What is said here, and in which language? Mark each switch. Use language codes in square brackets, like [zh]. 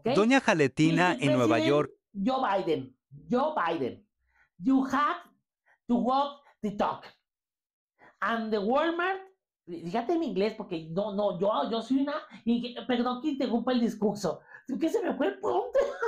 [es] Doña Jaletina en Nueva York. Joe Biden. [en] You have to walk the talk. And the Walmart, [es] fíjate en inglés porque yo soy una, y perdón que interrumpa el discurso. ¿Qué se me fue el punto?